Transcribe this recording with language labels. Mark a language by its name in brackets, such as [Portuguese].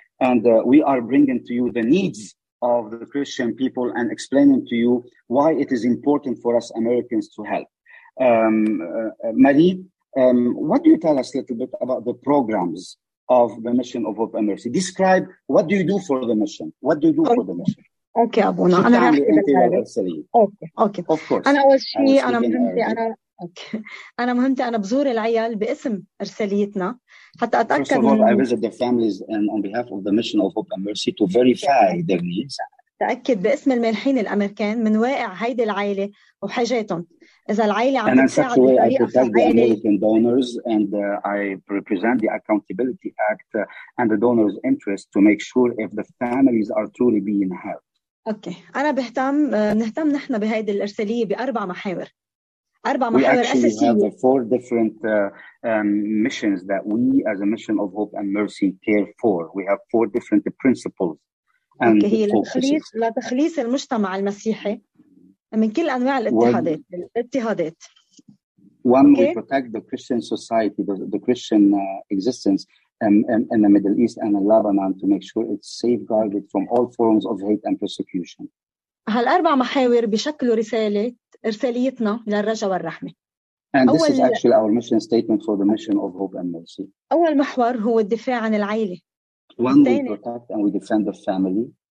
[English] And we are bringing to you the needs of the Christian people and explaining to you why it is important for us Americans to help. Marie, what do you tell us a little bit about the programs of the Mission of Hope and Mercy? Describe what do you do for the mission? What do you do for the mission? Okay, Abuna. So I'm okay. Of course. [Arabic] أنا أول شيء أنا مهمتي أنا أوكي أنا مهمتي أنا بزور العيال باسم أرساليتنا حتى أتأكد. [English] First of all, I visit the families and on behalf of the Mission of Hope and Mercy to verify their needs. [Arabic] تأكد باسم الملحين الأمريكان من واقع هيدي العائلة وحاجاتهم. إذا العائلة عم [English] and in such a way, I protect the American donors and I represent the Accountability Act and the donors' interest to make sure if the families are truly being helped. Okay. [Arabic] أنا بنهتم نحن بهيدي الإرسالية بأربع محاور. أربع محاور أساسية. [English] We actually have four different missions that we as a Mission of Hope and Mercy care for. We have four different principles and okay. [Arabic] لتخليص المجتمع المسيحي. من كل أنواع الاضطهادات. [English] One okay. We protect the Christian society, the Christian existence in the Middle East and in Lebanon to make sure it's safeguarded from all forms of hate and persecution. [Arabic] هالأربع محاور بشكل رسالة إرساليتنا للرجاء والرحمة. [English] And this is actually our mission statement for the Mission of Hope and Mercy. [Arabic] أول محور هو الدفاع عن العائلة. [English] One we protect and we defend the family.